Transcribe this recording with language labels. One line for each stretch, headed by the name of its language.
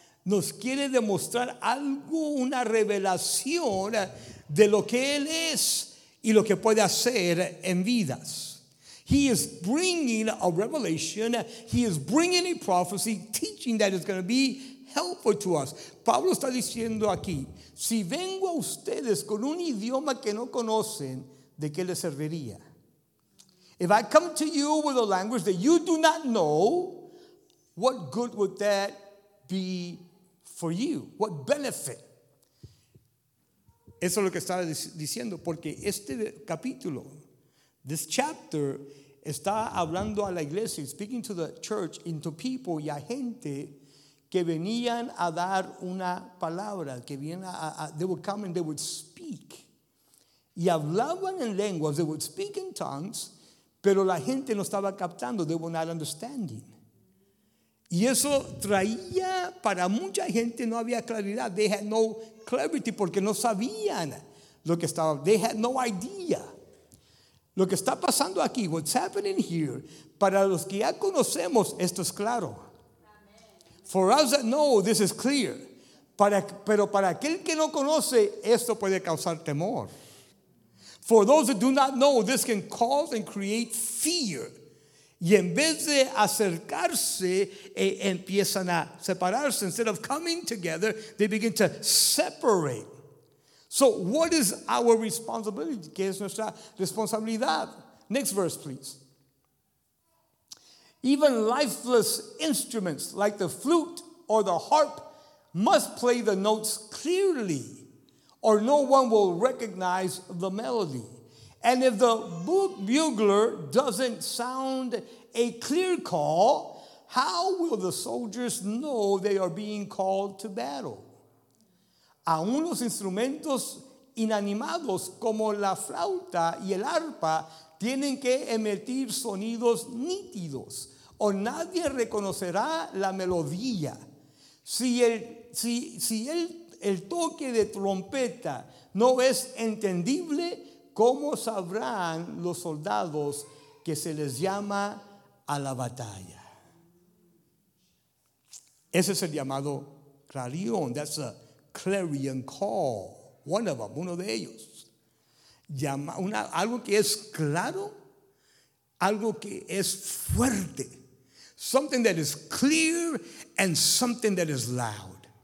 Spanish: Nos quiere demostrar algo, una revelación de lo que Él es y lo que puede hacer en vidas.
English: He is bringing a revelation. He is bringing a prophecy, teaching that is going to be helpful to us.
Spanish: Pablo está diciendo aquí, si vengo a ustedes con un idioma que no conocen, ¿de qué les serviría?
English: If I come to you with a language that you do not know, what good would that be for you? What benefit?
Spanish: Eso es lo que estaba diciendo, porque este capítulo,
English: this chapter,
Spanish: está hablando a la iglesia,
English: speaking to the church, into people
Spanish: y a gente que venían a dar una palabra, que vienen
English: they would come and they would speak.
Spanish: Y hablaban en lenguas,
English: they would speak in tongues,
Spanish: pero la gente no estaba captando,
English: they were not understanding.
Spanish: Y eso traía para mucha gente, no había claridad.
English: They had no clarity
Spanish: porque no sabían lo que estaba.
English: They had no idea.
Spanish: Lo que está pasando aquí,
English: what's happening here,
Spanish: para los que ya conocemos, esto es claro.
English: For us that know, this is clear.
Spanish: Pero para aquel que no conoce, esto puede causar temor.
English: For those that do not know, this can cause and create fear.
Spanish: Y en vez de acercarse, empiezan a separarse.
English: Instead of coming together, they begin to separate. So what is our responsibility?
Spanish: ¿Qué es nuestra responsabilidad?
English: Next verse, please. Even lifeless instruments like the flute or the harp must play the notes clearly, or no one will recognize the melody. And if the bugler doesn't sound a clear call, how will the soldiers know they are being called to battle?
Spanish: Aún los instrumentos inanimados como la flauta y el arpa tienen que emitir sonidos nítidos, o nadie reconocerá la melodía. Si el toque de trompeta no es entendible, ¿cómo sabrán los soldados que se les llama a la batalla? Ese es el llamado clarion.
English: That's a clarion call. One of them,
Spanish: uno de ellos. Algo que es claro, algo que es fuerte.
English: Something that is clear and something that is loud.